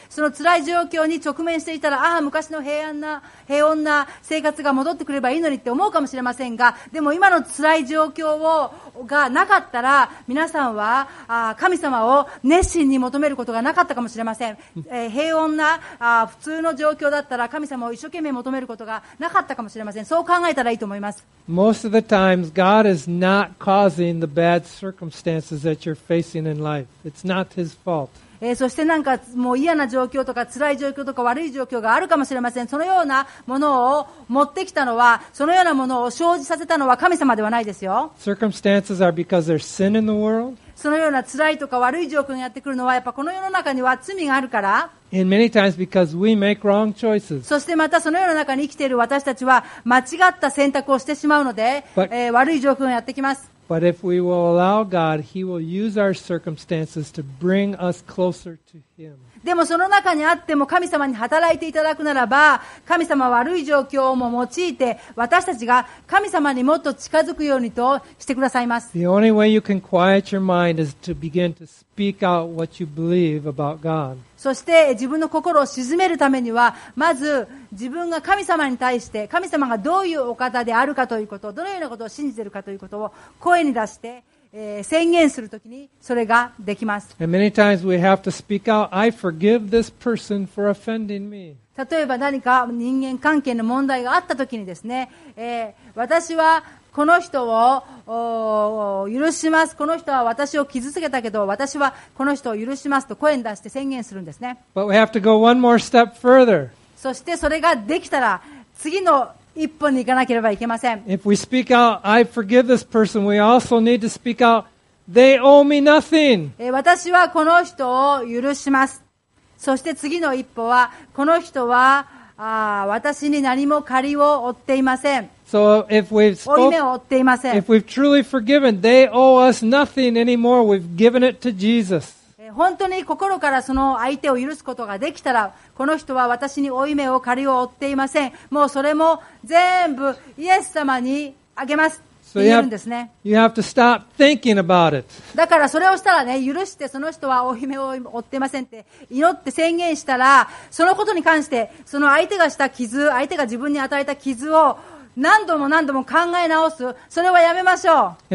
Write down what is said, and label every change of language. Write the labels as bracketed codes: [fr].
[ja] その辛い状況に直面していたら、ああ昔の平穏な生活が戻ってくればいいのにって思うかもしれませんが、でも今の辛い状況がなかったら、皆さんは神様を熱心に求めることがなかったかもしれません。平穏な普通の状況だったら、神様を一生懸命求めることがなかったかもしれません。そう考えたらいいと思います。 [en] Most of the times, God is not causing the bad circumstances that you're facing in life. It's not His fault. [ja] そしてなんかもう嫌な状況とか辛い状況とか悪い状況があるかもしれません。そのようなものを持ってきたのは、そのようなものを生じさせたのは神様ではないですよ。 [en] Circumstances are because there's sin in the world. [ja] そのような辛いとか悪い状況がやってくるのは、やっぱこの世の中には罪があるから。 [en] And many times because we make wrong choices. [ja] そしてまたその世の中に生きている私たちは間違った選択をしてしまうので、悪い状況がやってきます。 [en] But if we will allow God, He will use our circumstances to bring us closer to Him. [ja] でもその中にあっても神様に働いていただくならば、神様は悪い状況も用いて私たちが神様にもっと近づくようにとしてくださいます。 [en] The only way you can quiet your mind is to begin to speak out what you believe about God. [ja] そして自分の心を静めるためには、まず自分が神様に対して、神様がどういうお方であるかということ、どのようなことを信じているかということを声に出して宣言するときにそれができます。 [en] And many times we have to speak out, I forgive this person for offending me. [ja] 例えば何か人間関係の問題があったときにですね、私はこの人を許します、この人は私を傷つけたけど私はこの人を許しますと声に出して宣言するんですね。 [en] But we have to go one more step further. [ja] そしてそれができたら次の一歩に行かなければいけません。 [en] If we speak out, I forgive this person, we also need to speak out, they owe me nothing. [ja] 私はこの人を許します、そして次の一歩はこの人は私に何も借りを負っていません。 [en] So if we've spoken, if we've truly forgiven, they owe us nothing anymore. We've given it to Jesus. [ja] 本当に心からその相手を許すことができたら、この人は私に負い目を借りを負っていません。もうそれも全部イエス様にあげます。 [en] So you have to stop thinking about it. [ja] だからそれをしたらね、許してその人は負い目を負っていませんって祈って宣言したら、そのことに関してその相手がした傷、相手が自分に与えた傷を何度も何度も考え直す、それはやめましょう。